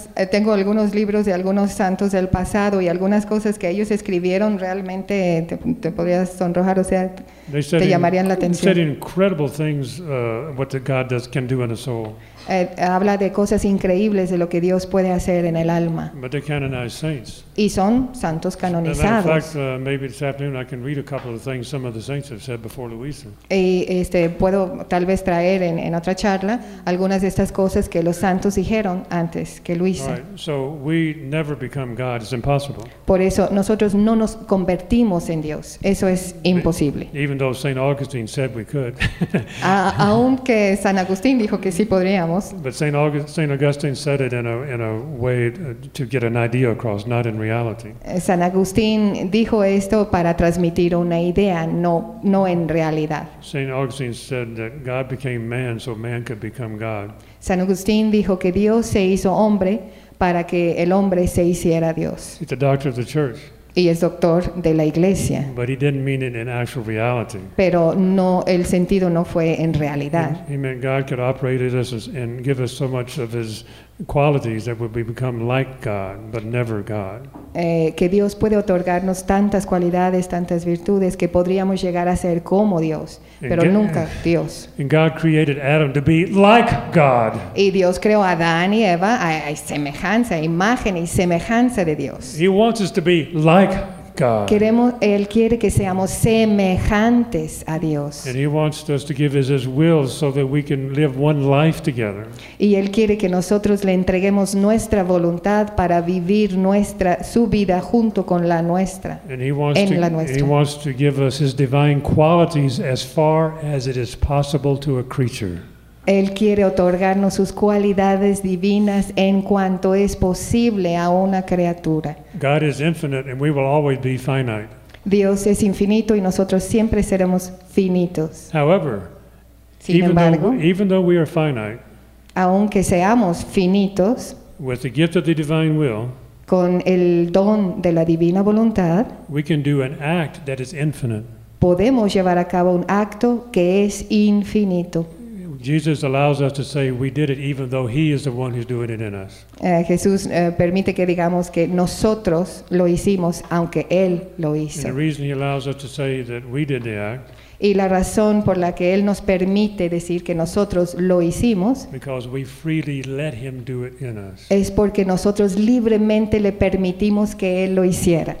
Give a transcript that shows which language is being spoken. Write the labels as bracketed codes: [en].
[es] Tengo algunos libros de algunos santos del pasado y algunas cosas que ellos escribieron realmente te podrías sonrojar, o sea, te llamarían la atención. [en] They said incredible things what God can do in a soul. [es] Habla de cosas increíbles de lo que Dios puede hacer en el alma. [en] But they're canonized saints. [es] Y son santos canonizados. [en] As a matter of fact, maybe this afternoon I can read a couple of things some of the saints have said before Luisa. [es] Y puedo tal vez traer en otra charla algunas de estas cosas que los santos dijeron antes que Luisa. [en] All right, so we never become God. It's impossible. [es] Por eso nosotros no nos convertimos en Dios. Eso es imposible. [en] Even though Saint Augustine said we could. [es] Aunque San Agustín dijo que sí podríamos. [en] But Saint Augustine said it in a way to get an idea across, not in reality. [es] San Agustín dijo esto para transmitir una idea, no en realidad. [en] Saint Augustine said that God became man so man could become God. [es] San Agustín dijo que Dios se hizo hombre para que el hombre se hiciera Dios. [en] He's the doctor of the church. [es] Y es doctor de la iglesia. [en] But he didn't mean it in actual reality. [es] Pero no, el sentido no fue en realidad. [en] He meant God could operate in us and give us so much of his qualities that we become like God, but never God. [es] Que Dios puede otorgarnos tantas cualidades, tantas virtudes, que podríamos llegar a ser como Dios, pero nunca Dios. [en] And God created Adam to be like God. [es] Y Dios creó a Adán y Eva a semejanza, imagen y semejanza de Dios. [en] He wants us to be like God. [es] Queremos, él quiere que seamos semejantes a Dios. [en] And he wants us to give his will so that we can live one life together. [es] Y él quiere que nosotros le entreguemos nuestra voluntad para vivir nuestra su vida junto con la nuestra. [en] And he wants en to, [es] la nuestra. [en] He wants to give us his divine qualities as far as it is possible to a creature. [es] Él quiere otorgarnos sus cualidades divinas en cuanto es posible a una criatura. [en] God is infinite and we will always be finite. [es] Dios es infinito y nosotros siempre seremos finitos. [en] However, [es] Sin embargo, [en] even though we are finite, [es] aunque seamos finitos, [en] with the gift of the divine will, [es] con el don de la divina voluntad, [en] we can do an act that is infinite. [es] Podemos llevar a cabo un acto que es infinito. [en] Jesus allows us to say we did it even though he is the one who's doing it in us. [es] Jesús permite que digamos que nosotros lo hicimos aunque él lo hizo. [en] And the reason he allows us to say that we did the act. [es] Y la razón por la que él nos permite decir que nosotros lo hicimos. [en] Because we freely let him do it in us. [es] Es porque nosotros libremente le permitimos que él lo hiciera.